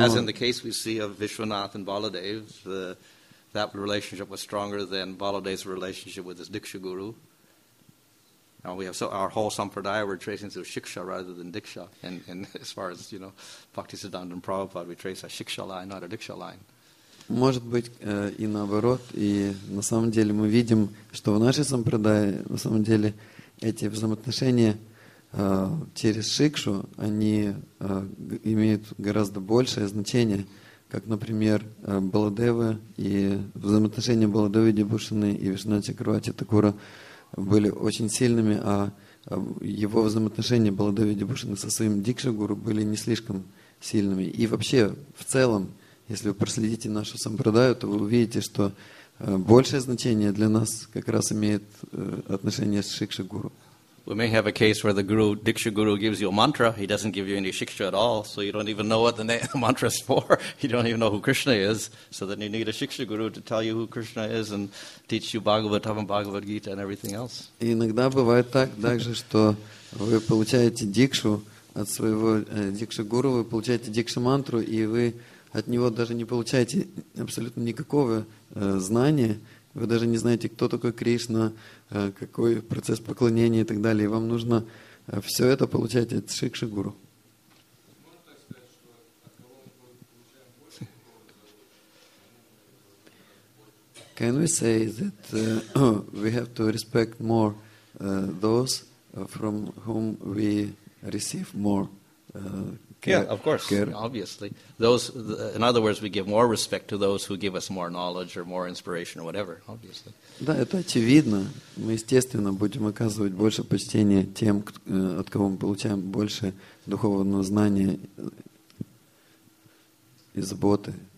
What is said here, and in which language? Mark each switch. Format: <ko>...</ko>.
<en>As in the case we see of Vishwanath and Baladev, that relationship was stronger than Baladev's relationship with his Diksha Guru. Now we have so our whole sampradaya we're tracing through shiksha rather than diksha, and as far as you know, Bhaktisiddhanta and Prabhupada, we trace a shiksha line, not a diksha line.</en> <ru>Может быть и наоборот, и на самом деле мы видим, что в нашей сампрадае на самом деле эти взаимоотношения через шикшу они имеют гораздо большее значение, как, например, Баладева и взаимоотношения Баладевы Дибушины и Вишнат Чакравати Такура были очень сильными, а его взаимоотношения Баладеви Дибушины со своим дикшагуру были не слишком сильными. И вообще, в целом, если вы проследите нашу сампрадаю, то вы увидите, что большее значение для нас как раз имеет отношение с шикшагуру.</ru> <en>We may have a case where the guru, Diksha Guru, gives you a mantra. He doesn't give you any shiksha at all, so you don't even know what the mantra is for. You don't even know who Krishna is. So then you need a shiksha guru to tell you who Krishna is and teach you Bhagavatam and Bhagavad Gita and everything else.</en> <ru>Иногда бывает так также, что вы получаете дикшу от своего дикша гуру, вы получаете дикша мантру, и вы от него даже не получаете абсолютно никакого знания. Вы даже не знаете, кто такой Кришна, какой процесс поклонения и так далее. Вам нужно все это получать от Шикши Гуру.</ru> <en>Can we say that we have to respect more those from whom we receive more? Yeah, of course, care. Obviously. In other words, we give more respect to those who give us more knowledge or more inspiration or whatever, obviously.</en> <ru>Да, это очевидно. Мы, естественно, будем оказывать больше почтения тем, от кого мы получаем больше духовного знания и заботы.</ru>